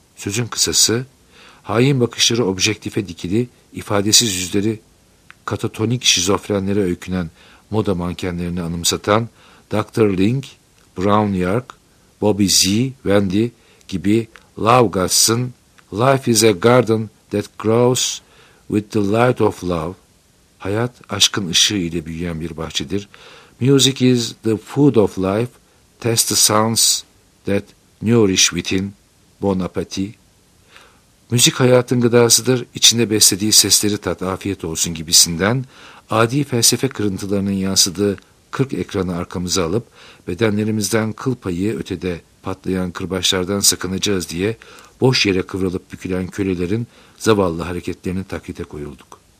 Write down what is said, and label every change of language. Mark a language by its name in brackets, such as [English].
[Turkish] Sözün kısası, hain bakışları objektife dikili, ifadesiz yüzleri katatonik şizofrenlere öykünen moda mankenlerini anımsatan Dr. [English] Link, Brown Yark, Bobby Z, Wendy gibi Love Gods'ın Life is a Garden that Grows with the Light of Love, [Turkish] hayat aşkın ışığı ile büyüyen bir bahçedir. [English] Music is the food of life, test the sounds that Nourish within, bon appétit. [Turkish] Müzik hayatın gıdasıdır, içinde beslediği sesleri tat, afiyet olsun gibisinden, adi felsefe kırıntılarının yansıdığı 40 ekranı arkamıza alıp, bedenlerimizden kıl payı ötede patlayan kırbaçlardan sakınacağız diye, boş yere kıvrılıp bükülen kölelerin zavallı hareketlerini taklite koyulduk.